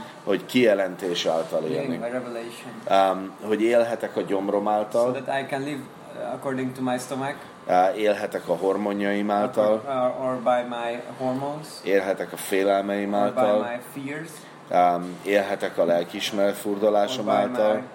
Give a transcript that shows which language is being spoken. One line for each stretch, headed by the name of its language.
Hungarian: Hogy kijelentés által élni. Hogy élhetek a gyomrom által.
English: So that I can live according to my stomach.
Hungarian: Élhetek a hormonjaim által.
English: Or by my hormones.
Hungarian: Élhetek a félelmeim által.
English: By my fears.
Hungarian: Élhetek a lelkiismeret furdalásom által.